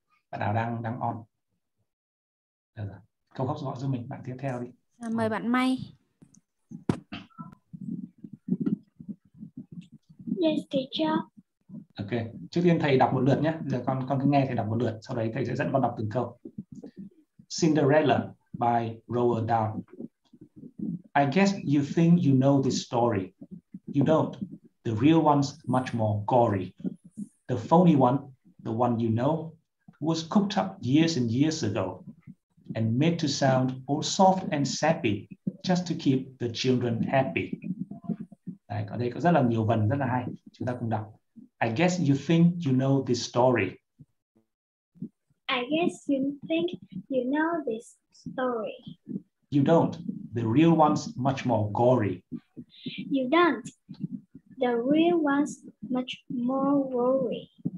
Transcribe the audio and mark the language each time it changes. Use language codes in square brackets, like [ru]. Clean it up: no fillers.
[vi] Bạn nào đang đang on. Được rồi. Câu góc gọi giúp mình bạn tiếp theo đi. Mời bạn May. [en] Yes, teacher. [vi] Ok, trước tiên thầy đọc một lượt nhé. Giờ con cứ nghe thầy đọc một lượt, sau đấy thầy sẽ dẫn con đọc từng câu. [en] Cinderella by Roald Dahl. I guess you think you know this story. You don't. The real one's much more gory. The phony one, the one you know, was cooked up years and years ago and made to sound all soft and sappy just to keep the children happy. [vi] Đấy, ở đây có rất là nhiều vần, rất là hay. Chúng ta cùng đọc. [en] I guess you think you know this story. I guess you think you know this story. You don't. The real one's much more gory. You don't. The real one's much more gory.